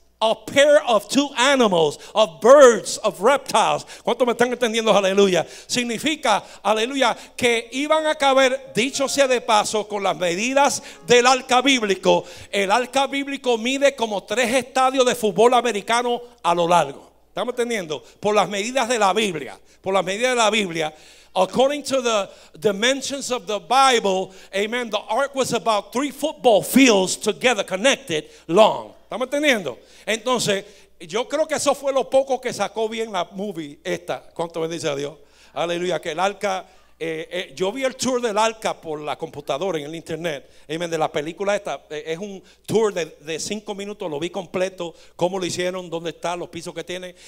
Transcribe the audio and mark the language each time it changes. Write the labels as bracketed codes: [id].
[en] A pair of two animals, of birds, of reptiles. [es] ¿Cuánto me están entendiendo? [en] Aleluya. [es] Significa, aleluya, que iban a caber, dicho sea de paso, con las medidas del arca bíblico. El arca bíblico mide como tres estadios de fútbol americano a lo largo. ¿Estamos entendiendo? Por las medidas de la Biblia. Por las medidas de la Biblia. [en] According to the dimensions of the Bible, amen, the ark was about three football fields together, connected, long. [es] ¿Estamos entendiendo? Entonces, yo creo que eso fue lo poco que sacó bien la movie esta. ¿Cuánto bendice a Dios? Aleluya, que el arca, yo vi el tour del arca por la computadora en el internet. Amen, de la película esta, es un tour de 5 minutos, lo vi completo, cómo lo hicieron, dónde está, los pisos que tiene.